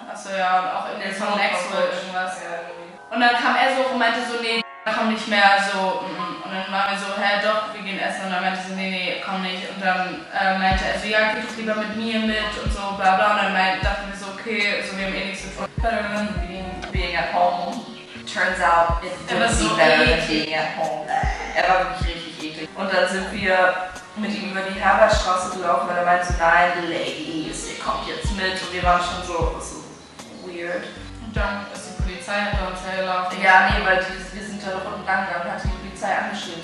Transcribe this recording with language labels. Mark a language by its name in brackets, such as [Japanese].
[German] Achso, ja, und auch irgendwie von Maxwell irgendwas. Ja, und dann kam er so hoch und meinte so, nee, komm nicht mehr, so, und dann waren wir so, hä, doch, wir gehen essen, und dann meinte so, nee, komm nicht, und dann meinte er so, ja, geh doch lieber mit mir mit und so, bla bla, und dann dachten wir so, okay, so, wir haben eh nichts zu tun. [English] Being at home, turns out, it was so better than being at home. [German] Er war wirklich richtig. Und dann sind wir mit ihm über die Herbertstraße gelaufen und er meinte so, nein, Ladies, ihr kommt jetzt mit. Und wir waren schon so weird. Und dann ist die Polizei hinter uns hergelaufen. Ja, nee, weil wir sind da noch unten lang gegangen und hat die Polizei angeschrieben.